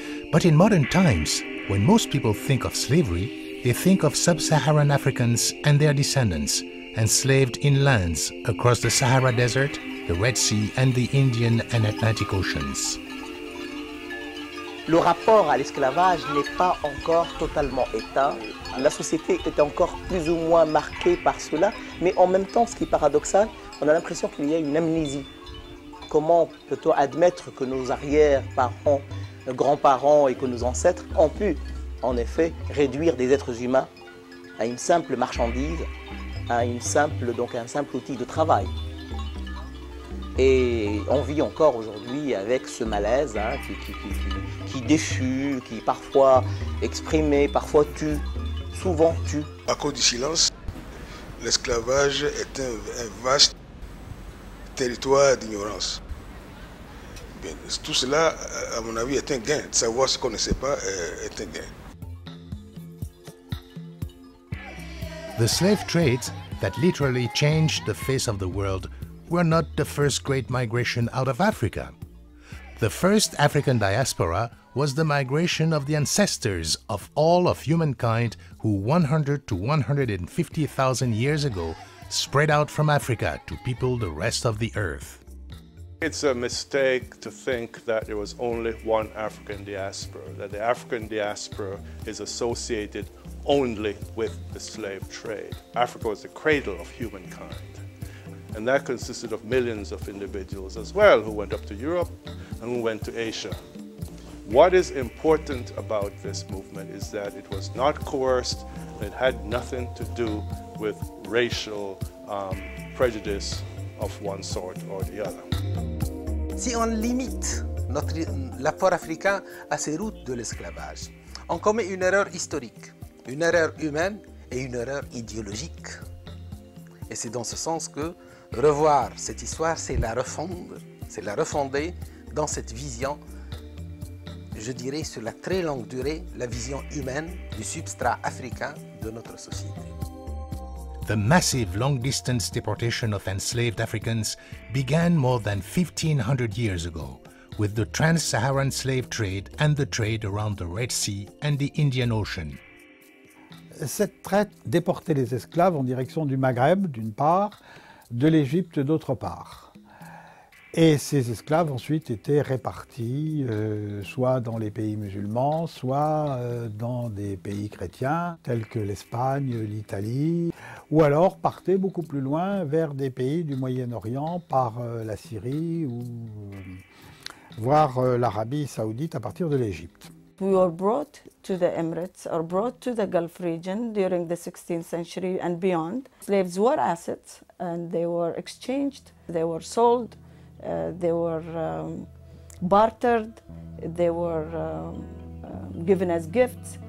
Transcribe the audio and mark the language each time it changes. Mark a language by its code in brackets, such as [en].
[en] But in modern times, when most people think of slavery, they think of sub-Saharan Africans and their descendants, enslaved in lands across the Sahara Desert, the Red Sea, and the Indian and Atlantic Oceans. [fr] Le rapport à l'esclavage n'est pas encore totalement éteint. La société est encore plus ou moins marquée par cela, mais en même temps, ce qui est paradoxal, on a l'impression qu'il y a une amnésie. Comment peut-on admettre que nos arrière-parents, nos grands-parents et que nos ancêtres ont pu, en effet, réduire des êtres humains à une simple marchandise, à une simple, donc un simple outil de travail. Et on vit encore aujourd'hui avec ce malaise qui déchue, qui parfois exprimé, parfois tue, souvent tue. À cause du silence, l'esclavage est un vaste territoire d'ignorance. Bien, tout cela, à mon avis, est un gain. De savoir ce qu'on ne sait pas est un gain. [en] The slave trades that literally changed the face of the world were not the first great migration out of Africa. The first African diaspora was the migration of the ancestors of all of humankind who 100 to 150,000 years ago spread out from Africa to people the rest of the earth. It's a mistake to think that there was only one African diaspora, that the African diaspora is associated only with the slave trade. Africa was the cradle of humankind. And that consisted of millions of individuals as well who went up to Europe and who went to Asia. What is important about this movement is that it was not coerced, it had nothing to do with racial prejudice of one sort or the other. [fr] Si on limite l'apport africain à ses routes de l'esclavage, on commet une erreur historique, une erreur humaine et une erreur idéologique. Et c'est dans ce sens que revoir cette histoire, c'est la refondre, c'est la refonder dans cette vision, je dirais sur la très longue durée, la vision humaine du substrat africain de notre société. [en] The massive long-distance deportation of enslaved Africans began more than 1,500 years ago with the trans-Saharan slave trade and the trade around the Red Sea and the Indian Ocean. [fr] Cette traite déportait les esclaves en direction du Maghreb, d'une part, de l'Égypte, d'autre part. Et ces esclaves ensuite étaient répartis soit dans les pays musulmans, soit dans des pays chrétiens tels que l'Espagne, l'Italie, ou alors partaient beaucoup plus loin vers des pays du Moyen-Orient par la Syrie ou voire l'Arabie Saoudite à partir de l'Égypte. [en] We were brought to the Emirates or brought to the Gulf region during the 16th century and beyond. Slaves were assets and they were exchanged, they were sold. They were bartered, they were given as gifts.